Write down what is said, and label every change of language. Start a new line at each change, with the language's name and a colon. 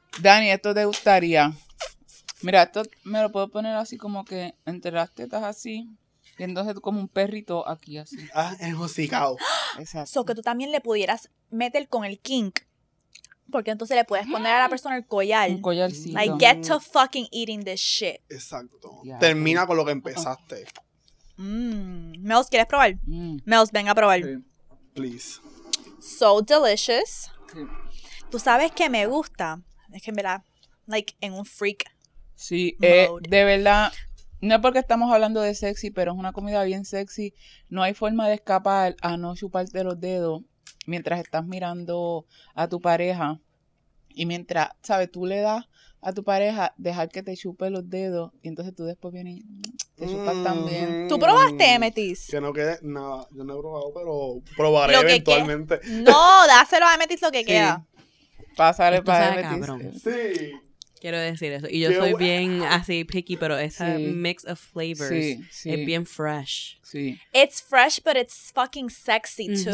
Spanish: Dani, ¿esto te gustaría? Mira, esto me lo puedo poner así como que entre las tetas así. Y entonces tú como un perrito aquí así. Ah, enjocicado. Exacto. So que tú también le pudieras meter con el kink. Porque entonces le puedes poner a la persona el collar. Un collarcito.
English: Like, get to fucking eating this shit.
Spanish: Exacto.
English: Yeah.
Spanish: Termina con lo que empezaste. Mels, ¿quieres probar? Mels, venga a probar.
English: Okay. Please. So delicious. Okay.
Spanish: Tú sabes que me gusta. Es que me da, like, en un freak. Sí, mode. De verdad. No es porque estamos hablando de sexy, pero es una comida bien sexy. No hay forma de escapar a no chuparte los dedos mientras estás mirando a tu pareja. Y mientras, ¿sabes? Tú le das a tu pareja dejar que te chupe los dedos y entonces tú después vienes y te chupas también. ¿Tú probaste, Emetis? Que no quede nada. Yo no he probado, pero probaré que eventualmente. No, dáselo a Emetis lo que queda. Pásale para Emetis. Sí. Quiero decir eso. Y yo soy bien así picky, pero esa
English: mix of flavors
Spanish: es bien fresh. Sí.
English: It's fresh, but it's fucking sexy, too.